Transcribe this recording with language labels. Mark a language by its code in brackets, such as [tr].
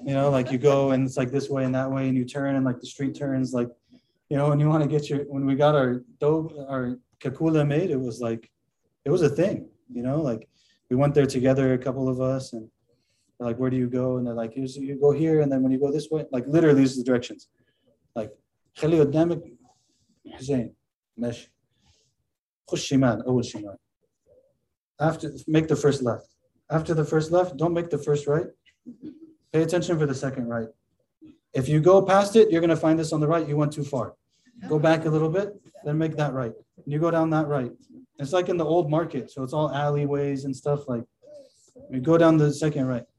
[en] You know, like, you go and it's like this way and that way, and you turn and like the street turns, like, you know, and you want to get your, when we got our dobe, our kakula made, it was like, it was a thing, you know, like we went there together, a couple of us, and they're like, where do you go? And they're like, here's, you go here, and then when you go this way, like literally these are the directions. [ar] Like, خلي قدامك حسين ماشي خش شمال أول شمال [en] after make the first left. After the first left, don't make the first right. Pay attention for the second right. If you go past it, you're going to find this on the right. You went too far. Go back a little bit, then make that right. And you go down that right. It's like in the old market. So it's all alleyways and stuff. Like, you go down the second right.